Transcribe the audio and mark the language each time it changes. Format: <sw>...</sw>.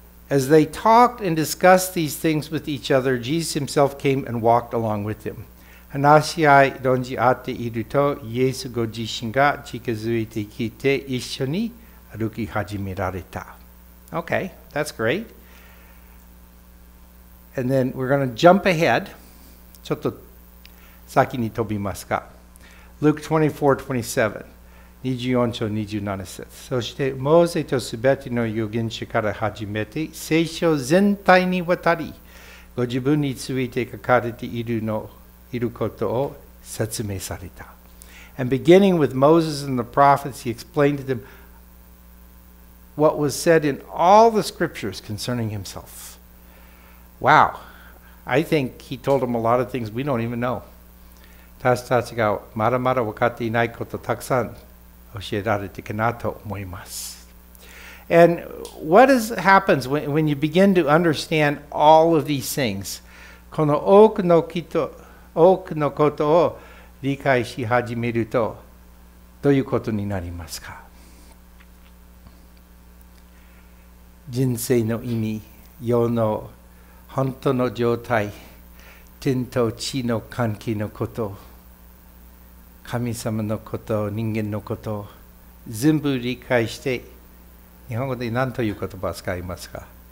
<en>As they talked and discussed these things with each other, Jesus himself came and walked along with them.</en> <ja>話し合い論じ合っていると、イエスご自身が近づいてきて一緒に歩き始められた。</ja> <en>Okay, that's great. And then we're going to jump ahead.</en> <ja>ちょっと先に飛びますか。</ja> <en>Luke 24:27.</en> <ja>そしてモーセとすべての預言者から始めて聖書全体にわたりご自分について書かれているのいることを説明された。</ja> <en>And beginning with Moses and the prophets, he explained to them what was said in all the scriptures concerning himself. Wow, I think he told them a lot of things we don't even know.</en> <ja>私たちがまだまだ分かっていないことをたくさん教えられてかなと思います。</ja> <en>And what is, happens when you begin to understand all of these things?</en> <ja>この多くの人多くのことを理解し始めるとどういうことになりますか？人生の意味、世の本当の状態、天と地の関係のこと、神様のこと、人間のこと、全部理解して、日本語で何という言葉を使いますか？</ja>